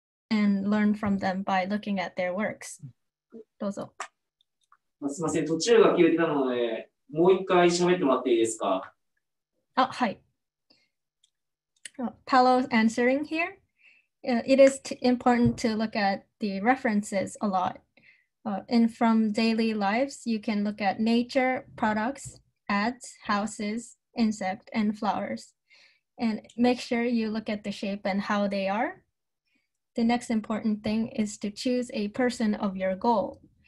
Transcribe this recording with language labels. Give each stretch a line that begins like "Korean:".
English: And learn from them by looking at their works.
Japanese: どうぞ。すいません、途中が消えてたので、もう一回喋ってもらっていいですか？あ、はい。
English: Paolo's answering here. It is important to look at the references a lot. And from daily lives, you can look at nature, products, ads, houses, insect, and flowers. And make sure you look at the shape and how they are. The next important thing is to choose a person of your goal.